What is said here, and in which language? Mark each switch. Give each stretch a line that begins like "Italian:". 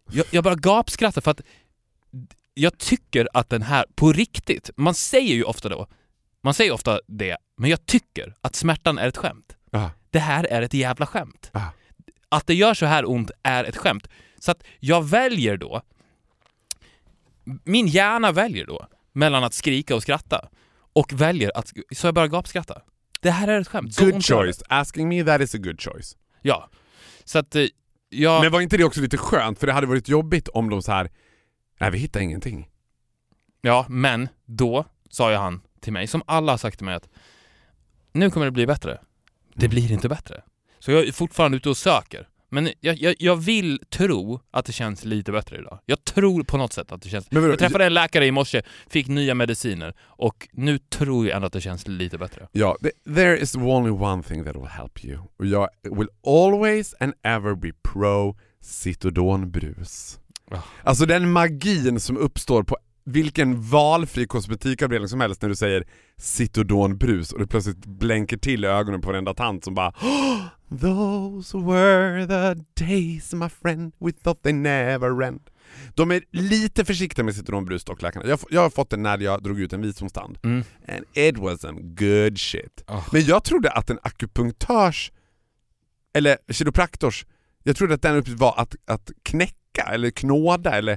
Swedish: Jag bara gapskrattar, för att jag tycker att den här, på riktigt, man säger ju ofta då, man säger ofta det, men jag tycker att smärtan är ett skämt. Uh-huh. Det här är ett jävla skämt. Uh-huh. Att det gör så här ont är ett skämt. Så att jag väljer då, min hjärna väljer då, mellan att skrika och skratta, och väljer att, så jag bara gapskrattar. Det här är ett skämt.
English: Good choice. Asking me that is a good choice.
Swedish: Ja. Så att Jag... Men var inte det också lite skönt? För det hade varit jobbigt om de så här, nej, vi hittar ingenting. Ja, men då sa ju han till mig, som alla har sagt till mig, att nu kommer det bli bättre. Det blir inte bättre. Så jag är fortfarande ute och söker. Men jag vill tro att det känns lite bättre idag. Jag tror på något sätt att det känns... Jag träffade en läkare i morse, fick nya mediciner. Och nu tror jag ändå att det känns lite bättre.
English: Ja, there is only one thing that will help you. Jag will always and ever be pro Citodon-brus.
Swedish: Alltså den magin som uppstår på vilken valfri kosmetikavdelning som helst när du säger Citodon-brus och det plötsligt blänker till ögonen på varenda tant som bara...
English: Those were the days, my friend, we thought they never end.
Swedish: De är lite försiktiga med citronbrus, dock, läkarna. Jag har fått den när jag drog ut en visdomstand. Mm.
English: And it wasn't good shit. Oh.
Swedish: Men jag trodde att en akupunktörs, eller kiropraktors, jag trodde att den uppgift var att knäcka eller knåda eller